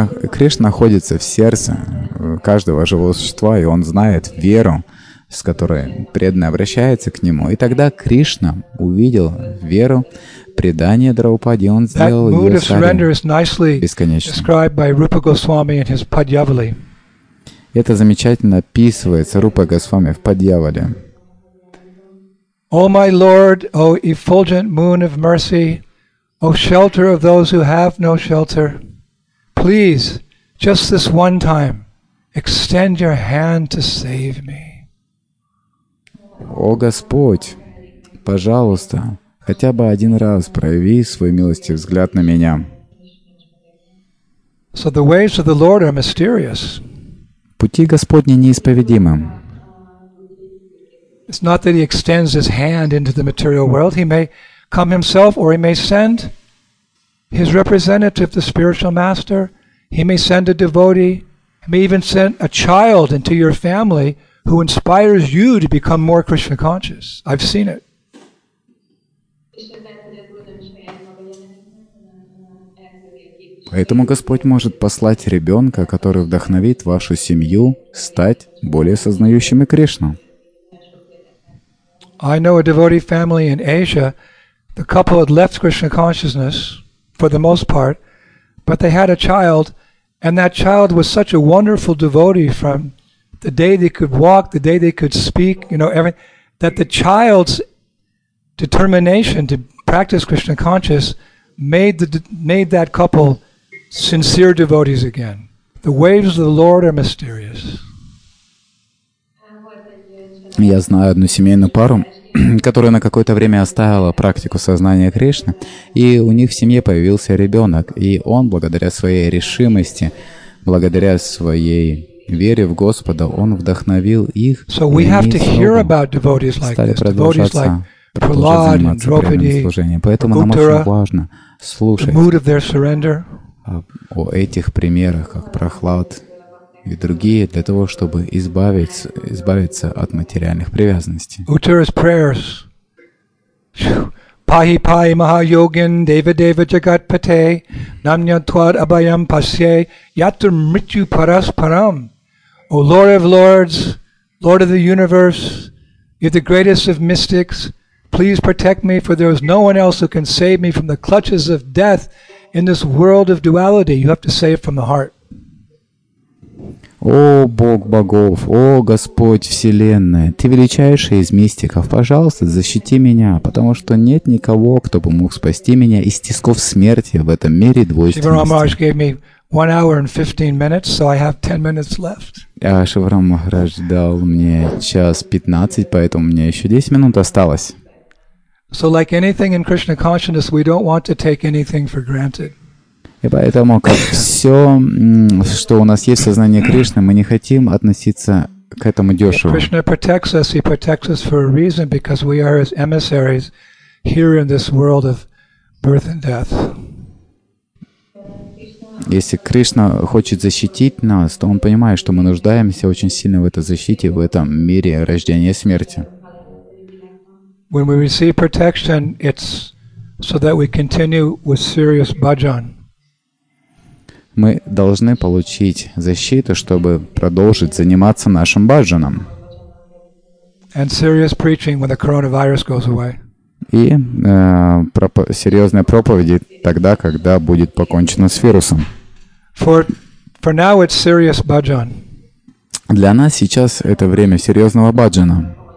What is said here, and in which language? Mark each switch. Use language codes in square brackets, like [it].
[ru] Кришна находится в сердце каждого живого существа, и он знает веру, с которой преданный обращается к нему. И тогда Кришна увидел веру, предание Драупади, и он сделал ее сари бесконечным. Это замечательно описывается Рупа Госвами в Падьявале. О, мой лорд, о, [en] effulgent moon of mercy, о, shelter of those who have no shelter, please, just this one time, extend your hand to save me. [ru] О Господь, пожалуйста, хотя бы один раз прояви свой милостивый взгляд на меня. [en] So the ways of the Lord are mysterious. [ru] Пути Господни неисповедимы. [en] It's not that he extends his hand into the material world. He may come himself, or he may send his representative, the spiritual master. He may send a devotee, he may even send a child into your family who inspires you to become more Krishna conscious. I've seen it. [ru] Поэтому Господь может послать ребенка, который вдохновит вашу семью стать более сознающими Кришну. [en] I know a devotee family in Asia. The couple had left Krishna consciousness for the most part, but they had a child. And that child was such a wonderful devotee from the day they could walk, the day they could speak, you know, everything, that the child's determination to practice Krishna conscious made that couple sincere devotees again. The waves of the Lord are mysterious. [ru] Я знаю одну семейную пару, которая на какое-то время оставила практику сознания Кришны, и у них в семье появился ребенок, и он, благодаря своей решимости Благодаря своей вере в Господа, Он вдохновил их. [en] So we have to hear about devotees like this. [ru] Поэтому нам очень важно слушать о этих примерах, как Прохлад и другие, для того, чтобы избавиться от материальных привязанностей. [en] Uttara's prayers. [sa] Пахи пахи махайогин дева дева джагат пате намня твад абаям пасе ятур мритю парас парам. [en] O Lord of Lords, Lord of the Universe, you're the greatest of mystics. Please protect me, for there is no one else who can save me from the clutches of death in this world of duality. You have to say it from the heart. [ru] О Бог богов, о Господь вселенная, ты величайший из мистиков, пожалуйста, защити меня, потому что нет никого, кто бы мог спасти меня из тисков смерти в этом мире двойственности. [en] Shivaram Maharaj gave me 1 hour and 15 minutes, so I have 10 minutes left. [ru] Shivaram Maharaj дал мне 1:15, поэтому у меня еще 10 минут осталось. [en] So like anything in Krishna consciousness, we don't want to take anything for granted. [ru] И поэтому, как все, что у нас есть в сознании Кришны, мы не хотим относиться к этому дешево. [en] Krishna protects us, he protects us for a reason, because we are his emissaries here in this world of birth and death. [ru] Если Кришна хочет защитить нас, то он понимает, что мы нуждаемся очень сильно в этой защите, в этом мире рождения и смерти. [en] When we receive protection, it's so that we continue with serious bhajan. [ru] Мы должны получить защиту, чтобы продолжить заниматься нашим бхаджаном. [en] And serious preaching when the coronavirus goes away. [ru] И серьезные проповеди тогда, когда будет покончено с вирусом. [en] For now it's serious bhajan. [ru] Для нас сейчас это время серьезного бхаджана.